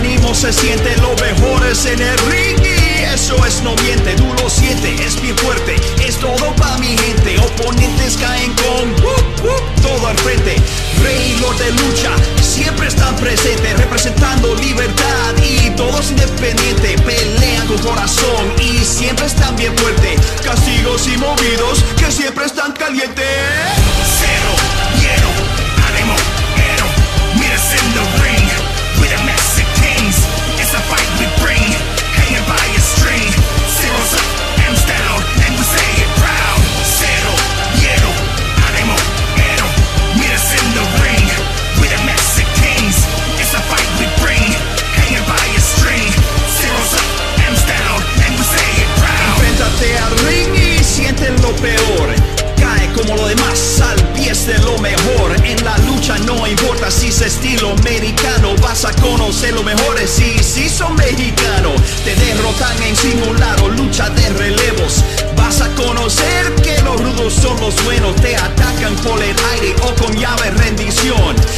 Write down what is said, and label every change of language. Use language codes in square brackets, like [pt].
[es] Se siente lo mejor es en el ring y es eso es no miente, duro 7, es bien fuerte, es todo pa' mi gente, oponentes caen con todo al frente, rey y lord de lucha, siempre están presentes, representando libertad y todos independientes, pelean con corazón y siempre están bien fuertes, castigos y movidos que siempre están calientes. Cero, hielo, ánimo, [en] hero, meet us in the ring, with the Mexicans, it's a fight we bring, hanging by a string, zero's up, M's down, and we say it proud. [es] Cero, hielo, ánimo, [en] hero, meet us in the ring, with the Mexicans, it's a fight we bring, hanging by a string, zero's up, M's down, and we say it proud. [es] Enfréntate al ring y siente lo peor. Como lo demás, al pie es de lo mejor. En la lucha no importa si es estilo americano, vas a conocer lo mejor si, si son mexicanos. Te derrotan en simulado, lucha de relevos. Vas a conocer que los rudos son los buenos. Te atacan por el aire o con llave rendición.